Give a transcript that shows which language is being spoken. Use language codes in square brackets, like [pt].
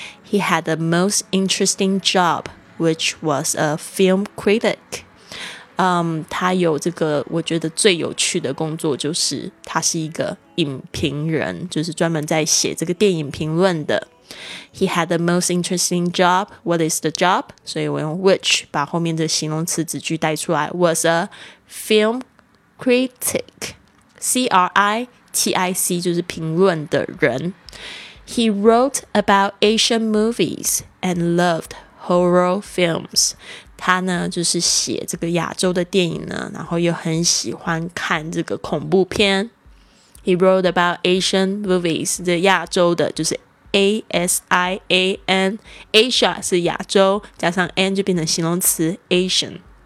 [en] He had the most interesting job, which was a film critic. [zh] 他有这个我觉得最有趣的工作，就是他是一个影评人，就是专门在写这个电影评论的。 [en] He had the most interesting job. What is the job? [zh] 所以我用 which 把后面的形容词子句带出来。 [en] Was a film critic. C-R-I. [zh] T-I-C 就是评论的人。 [en] He wrote about Asian movies and loved horror films. [zh] 他呢就是写这个亚洲的电影呢，然后又很喜欢看这个恐怖片。 [en] He wrote about Asian movies, [zh] 这亚洲的就是 A-S-I-A-N, Asia 是亚洲，加上 N 就变成形容词 Asian.